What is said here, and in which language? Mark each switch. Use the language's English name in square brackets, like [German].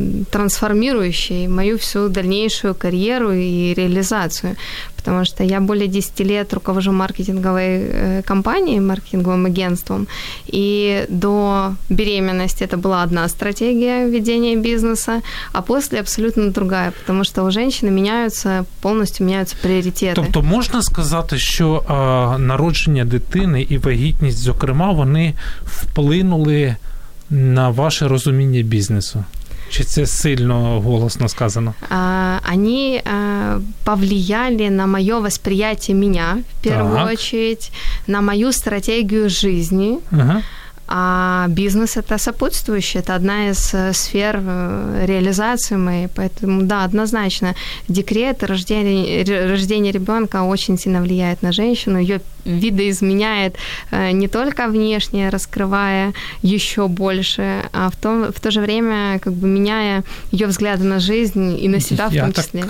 [Russian] трансформирующей мою всю дальнейшую карьеру и реализацию, потому что я более 10 лет руковожу маркетинговой компанией, маркетинговым агентством, и до беременности это была одна стратегия ведения бизнеса, а после абсолютно другая, потому что у женщины меняются, полностью меняются приоритеты. [Ukrainian] Тобто можна сказати, що народження дитини і вагітність, зокрема, вони вплинули на ваше розуміння бізнесу? Чи це сильно голосно сказано? [Russian] Они повлияли на моё восприятие меня, в первую очередь, на мою стратегию жизни. А бизнес – это сопутствующее, это одна из сфер реализации моей. Поэтому, да, однозначно, декрет, рождение ребенка очень сильно влияет на женщину, ее видоизменяет не только внешне, раскрывая еще больше, а в то же время как бы меняя ее взгляды на жизнь и на себя в том числе.